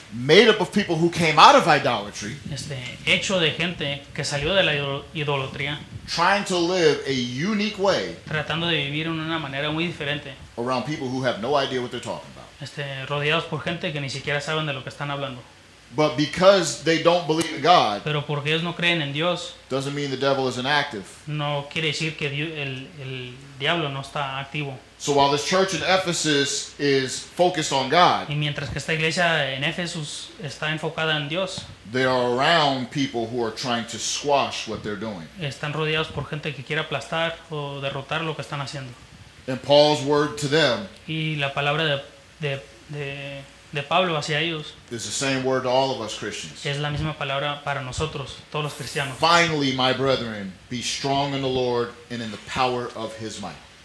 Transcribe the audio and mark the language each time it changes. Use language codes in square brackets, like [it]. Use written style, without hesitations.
[en] Made up of people who came out of idolatry. [es] Hecho de gente que salió de la idolatría. [en] Trying to live a unique way. [es] Tratando de vivir en una manera muy diferente. [en] Around people who have no idea what they're talking about. [es] Rodeados por gente que ni siquiera saben de lo que están hablando. [en] But because they don't believe in God, [es] pero porque ellos no creen en Dios, [en] doesn't mean the devil is inactive. [es] No quiere decir que el diablo no está activo. [en] So while this church in Ephesus is focused on God, [es] y mientras que esta iglesia en Éfesus está enfocada en Dios, [en] they are around people who are trying to squash what they're doing. [es] Están rodeados por gente que quiere aplastar o derrotar lo que están haciendo. [en] And Paul's word to them, [es] y la palabra de Pablo hacia ellos, [en] it's the same word to all of us Christians. [es] Es la misma palabra para nosotros, todos los cristianos. [en] Finally, my brethren, be strong in the Lord and in the power of his might.